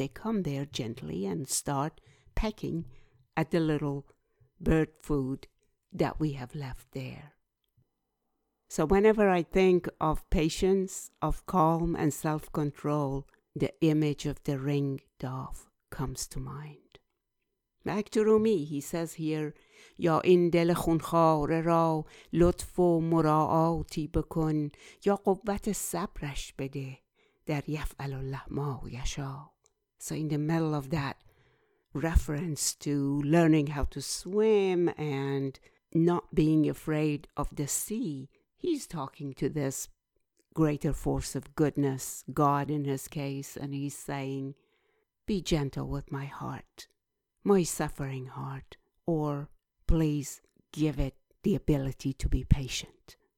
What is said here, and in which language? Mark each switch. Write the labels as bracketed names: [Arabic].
[English] They come there gently and start pecking at the little bird food that we have left there. So whenever I think of patience, of calm and self-control, the image of the ring dove comes to mind. Back to Rumi, he says here, [Persian] یا این دل خونخاره را لطف و مراعاتی بکن یا قوت صبرش بده در یفعل الله ما یشا. [English] So in the middle of that reference to learning how to swim and not being afraid of the sea, he's talking to this greater force of goodness, God in his case, and he's saying, be gentle with my heart, my suffering heart, or please give it the ability to be patient.